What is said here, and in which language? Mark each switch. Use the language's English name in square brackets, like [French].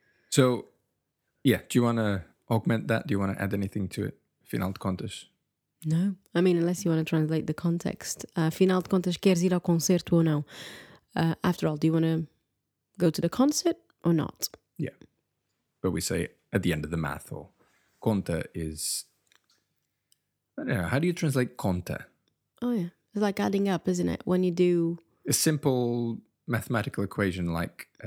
[English] So, yeah, do you want to augment that? Do you want to add anything to it? [Portuguese] Afinal de contas? [English] No. I mean, unless you want to translate the context. [Portuguese] Afinal de contas, queres ir ao concerto ou não? [English] After all, do you want to go to the concert or not? Yeah. But we say at the end of the math, or conta is, I don't know, how do you translate conta? Oh, yeah. It's like adding up, isn't it? When you do a simple mathematical equation like